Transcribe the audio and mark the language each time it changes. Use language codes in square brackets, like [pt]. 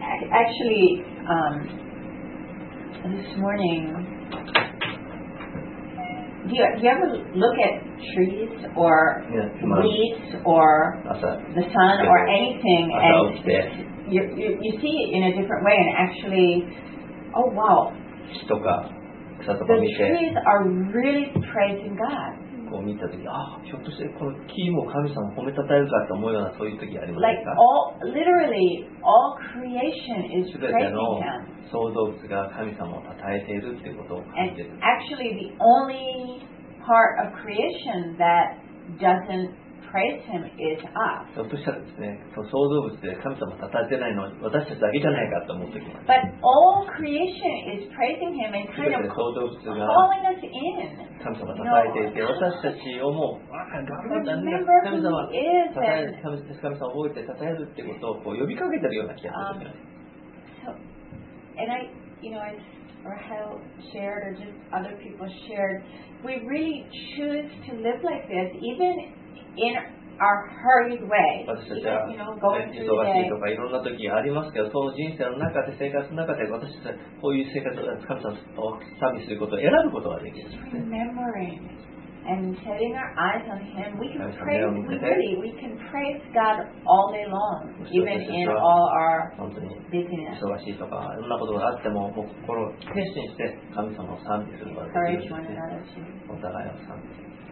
[en] Actually, this morning, do you ever look at trees or leaves or the sun or anything, and you see it in a different way? And actually, oh wow, the trees are really praising God. [ja] こう見た時、ああ、ひょっとしてこの木も神様を褒めたたえるかと思うようなそういう時ありますか？ [en] Like all, literally all creation is praising Him. [ja] 全ての創造物が神様をたたえているっていうことを感じる。 [en] And actually the only part of creation that doesn't praise Him is us. [ja] ひょっとしたらですね、その創造物で神様をたたえてないのは私たちだけじゃないかと思う時。 [en] But all creation is praising Him and kind of calling us in. [ja] 神様たたえていて、私たちをもう、神様覚えてたたえるってことをこう呼びかけてるような気がするんですね。 [en] And I, you know, as Rahel shared or just other people shared, we really choose to live like this, even in our hurried way. [ja] 私たちは忙しいとかいろんな時がありますけど、その人生の中で、生活の中で、私たちはこういう生活を神様と賛美することを選ぶことができる。 [en] Remembering and setting our eyes on Him, we can praise, really, we can praise God all day long, even in all our busyness. [ja] 忙しいとかいろんなことがあっても、心を決心して神様を賛美することができる。お互いを賛美する。